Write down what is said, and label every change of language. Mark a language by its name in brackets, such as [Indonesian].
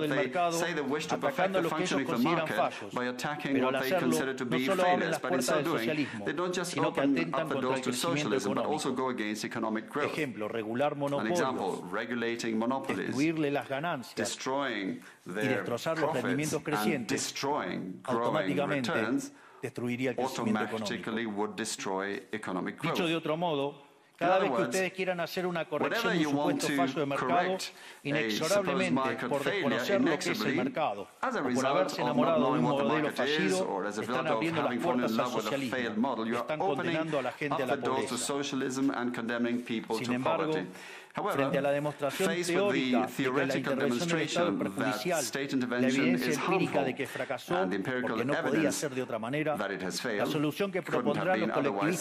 [English] they say they wish to perfect the functioning of the market by attacking what they consider to be failures, but in so doing, they don't just open up the doors to socialism, but also go against economic growth. An example, regulating monopolies, destroying their profits, and destroying growing returns, automatically would destroy economic growth. [Spanish] Dicho de otro modo, cada vez que ustedes quieran hacer una corrección de un supuesto fallo de mercado, inexorablemente, por desconocer lo que es el mercado, [English] as a result of not knowing what the market is, or as a result of having fallen in love with a failed model, you are opening up the doors to socialism and condemning people to poverty. However, faced with the theoretical demonstration that state intervention is harmful and the empirical evidence that it has failed, couldn't have been otherwise.